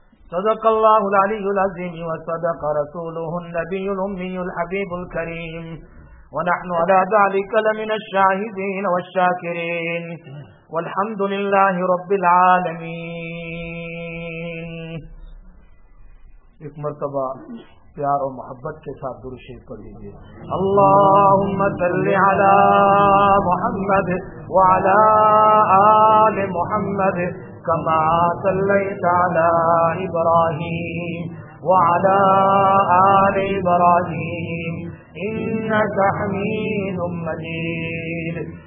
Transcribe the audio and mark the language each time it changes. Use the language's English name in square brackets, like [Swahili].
[Arabic] صدق الله العلي العظيم وصدق رسوله النبي الأمي الحبيب الكريم ونحن على ذلك لمن الشاهدين والشاكرين والحمد لله رب العالمين [Urdu] ایک مرتبہ پیار اور محبت کے ساتھ درود شریف پڑھ لیجیے. [Arabic] اللهم صل على محمد وعلى آل محمد كما صليت على ابراهيم وعلى آل ابراهيم انك حميد مجيد.